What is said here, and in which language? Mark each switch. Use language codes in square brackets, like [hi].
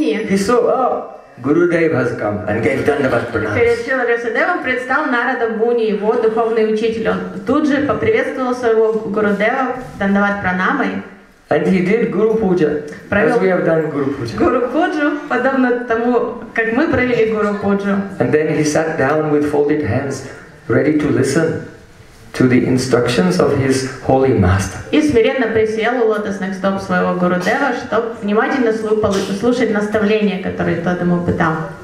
[en] He saw, oh, Gurudev has come and gave dandavat pranam. [ru] Перед Шрилой Вьясадевом предстал Нарада Муни, его духовный учитель. Он тут же поприветствовал своего Гурудева дандават пранамой. [en] And he did Guru Puja, as we have done Guru Puja. [ru] Guru Puja, подобно тому, как мы провели Guru Puja. [en] And then he sat down with folded hands, ready to listen to the instructions of his holy master. [ru] И смиренно присел у лотосных стоп своего Гурудева, чтоб внимательно слушать наставления, которые тот ему пытал.